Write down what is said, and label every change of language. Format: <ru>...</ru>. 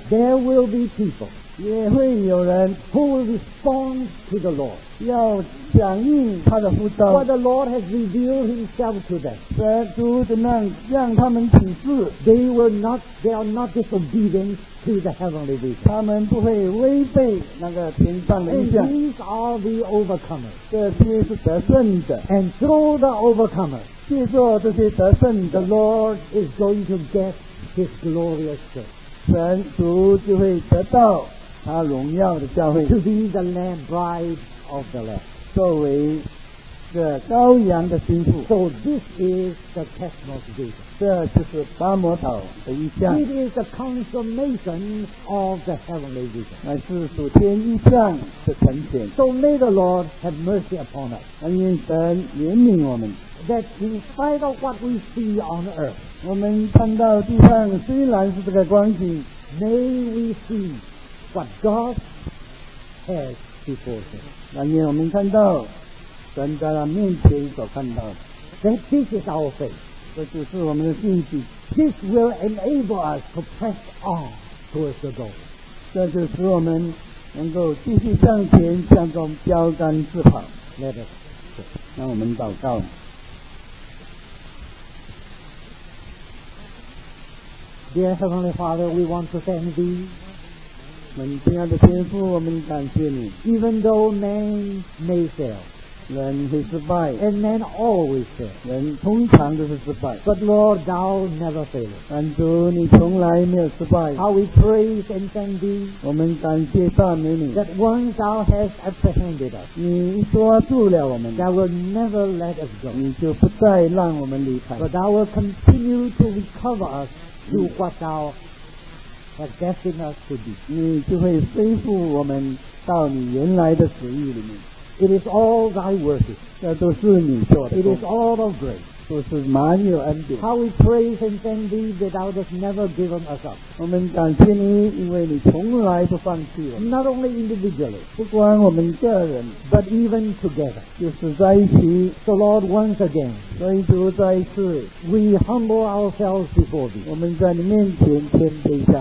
<en>there will be people,</en> <zh>也会有人</zh> <en>who will respond to the Lord,</en> <zh>要响应他的呼召</zh> <en>what the Lord has revealed himself to them,</en> <zh>神主怎样让他们启示</zh> <en>they are not disobedient to the heavenly vision,</en> <zh>他们不会违背那个天上的意象</zh> <en>and these are the overcomers,</en> <zh>这些是得胜者</zh> <en>and through the overcomers,</en> <zh>借助这些得胜者</zh> <en>The Lord is going to get his glorious church</en> <zh>神主就会得到他荣耀的教会</zh> <en>To be the lamb bride of the lamb</en> <zh>作为这羔羊的心腹</zh> <en>So this is the Christmas vision</en> <zh>这就是巴摩岛的意象</zh> <en>It is the consummation of the heavenly vision</en> <zh>乃是属天意象的呈现</zh> <en>So may the Lord have mercy upon us</en> <zh>但愿神怜悯我们</zh> <en>That in spite of what we see on earth,</en> <zh>我们看到地上虽然是这个光景</zh> <en>may we see what God has before him.</en> <zh>但愿我们看到神在他面前所看到的</zh> <en>That this is our faith.</en> <zh>这就是我们的信心</zh> <en>This will enable us to press on towards the goal.</en> <zh>这就使我们能够继续向前向着标杆直跑</zh> <en>Let us pray.</en> <zh>让我们祷告</zh> <en>Dear Heavenly Father, we want to thank thee.</en> <zh>我们亲爱的天父，我们感谢你。</zh> <en>Even though man may fail,</en> <zh>人会失败。</zh> <en>And man always fail,</en> <zh>人通常都是失败。</zh> <en>But Lord, thou never failest.</en> <zh>但主，你从来没有失败。</zh> <en>How we praise and thank thee.</en> <zh>我们感谢赞美你。</zh> <en>That once thou hast apprehended us,</en> <zh>你抓住了我们。</zh> <en>Thou will never let us go.</en> <zh>你就不再让我们离开。</zh> <en>But thou will continue to recover us. To what thou hast destined us to be.</en> <zh>你就会恢复我们到你原来的旨意里面。</zh> <en>It is all thy work.</en> <zh>这都是你做的。</zh> <en>It is all of grace.</en> <zh>都是满有恩典。</zh> <en>How we praise and thank thee that thou hast never given us up.</en> <zh>我们感谢你，因为你从来不放弃我们。</zh> <en>Not only individually.</en> <zh>不光我们个人。</zh> <en>But even together.</en> <zh>就是在一起。</zh> <en>So Lord, once again.</en> <zh>所以主再一次。</zh> <en>We humble ourselves before thee.</en> <zh>我们在你面前谦卑下。</zh>